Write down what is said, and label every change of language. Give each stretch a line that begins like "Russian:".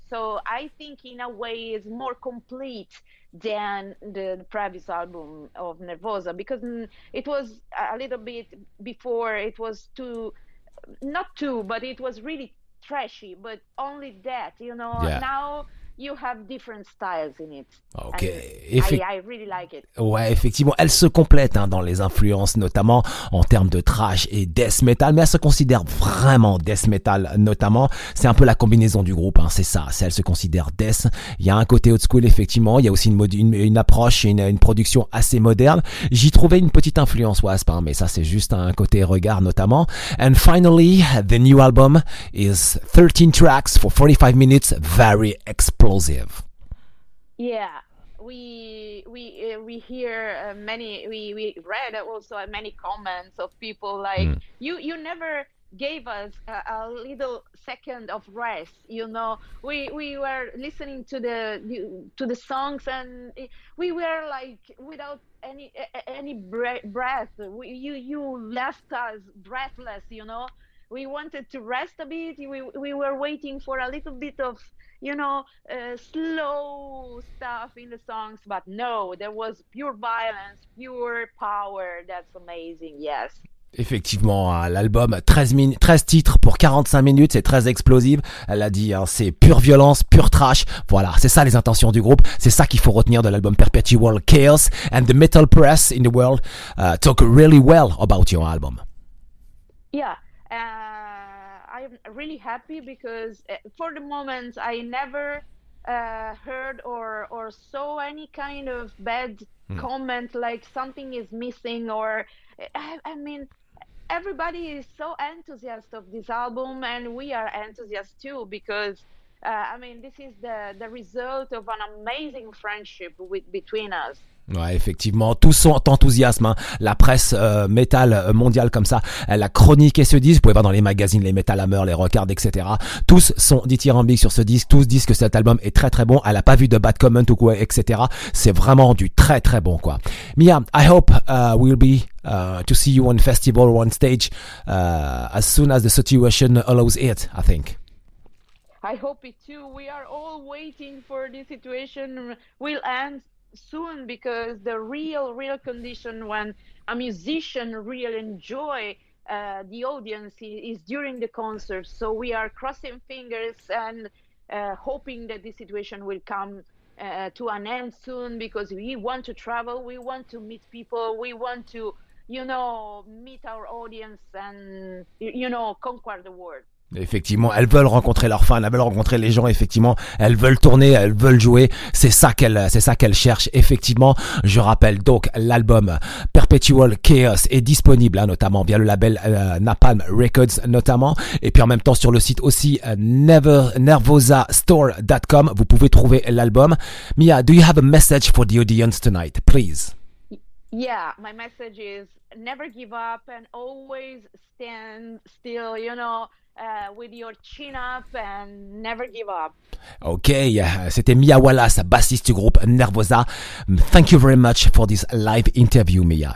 English: So I think in a way is more complete than the previous album of Nervosa, because it was a little bit before, it was it was really trashy, but only that, you know. Yeah. Now you have different styles in it. Okay. I really like it.
French: Ouais, effectivement, elle se complète, hein, dans les influences, notamment en termes de thrash et death metal, mais elle se considère vraiment death metal, notamment. C'est un peu la combinaison du groupe, hein, c'est ça. C'est, elle se considère death. Il y a un côté old school, effectivement. Il y a aussi une approche, une production assez moderne. J'y trouvais une petite influence Wasp, hein, mais ça, c'est juste un côté regard, notamment.
English: And finally, the new album is 13 tracks for 45 minutes, very explosive. Yeah, we hear we read also many comments of people like, you never gave us a little second of rest, you know. We were listening to the songs and we were like without any breath. You left us breathless, you know. We wanted to rest a bit. We were waiting for a little bit of, you know, slow stuff in the songs, but no, there was pure violence, pure power. That's amazing. Yes.
French: Effectivement, l'album 13 titres pour 45 minutes, c'est très explosif. Elle a dit, hein, c'est pure violence, pure trash. Voilà, c'est ça les intentions du groupe. C'est ça qu'il faut retenir de l'album Perpetual Chaos.
English: And the metal press in the world talk really well about your album. Yeah. I'm really happy because for the moment I never heard or saw any kind of bad comment, like something is missing, or I mean everybody is so enthusiastic of this album, and we are enthusiastic too, because I mean, this is the result of an amazing friendship between us.
French: Ouais, effectivement, tout son enthousiasme, hein. La presse métal mondiale comme ça, elle a chroniqué ce disque. Vous pouvez voir dans les magazines, les Metal Hammer, les Rockard, etc. Tous sont dithyrambiques sur ce disque. Tous disent que cet album est très très bon. Elle a pas vu de
English: bad comment
French: ou quoi, etc. C'est vraiment du très très bon, quoi.
English: Mia, I hope we'll be to see you on festival, on stage as soon as the situation allows it, I think. I hope it too. We are all waiting for this situation will end soon, because the real condition when a musician really enjoy the audience is during the concert. So we are crossing fingers and hoping that this situation will come to an end soon, because we want to travel, we want to meet people, we want to, you know, meet our audience and, you know, conquer the world.
French: Effectivement, elles veulent rencontrer leurs fans, elles veulent rencontrer les gens, effectivement, elles veulent tourner, elles veulent jouer, c'est ça qu'elles cherchent, effectivement. Je rappelle donc, l'album Perpetual Chaos est disponible, hein, notamment via le label Napalm Records, notamment, et puis en même temps sur le site aussi nervosastore.com, vous pouvez trouver l'album.
English: Mia, do you have a message for the audience tonight, please? Yeah, my message is never give up and always stand still, you know, with your chin up and never give up.
French: Ok, c'était Mia Wallace, bassiste du groupe Nervosa.
English: Thank you very much for this live interview, Mia.